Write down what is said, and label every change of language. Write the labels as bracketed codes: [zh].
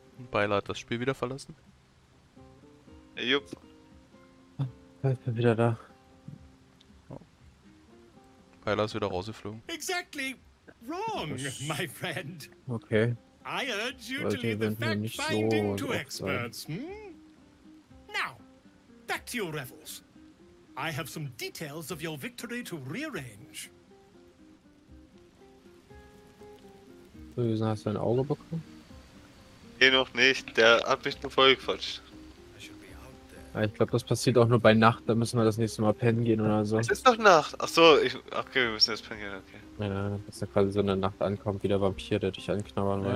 [de] Beiler hat das Spiel wieder verlassen. Jupp. Ich bin wieder da. Beiler ist wieder rausgeflogen. [en] Exactly. Wrong, my friend. Okay. I urge you to leave the fact-finding to experts, Now, back to your revels. I have some details of your victory to rearrange. [de] So, wie hast du ein Auge bekommen? Nee, noch nicht. Der hat mich nur vollgequatscht. Ja, ich glaube, das passiert auch nur bei Nacht. Da müssen wir das nächste Mal pennen gehen oder so. Es ist doch Nacht. Achso, okay, wir müssen jetzt pennen gehen, okay. Ja, dass da quasi so eine Nacht ankommt, wie der Vampir, der dich anknabbern wollte.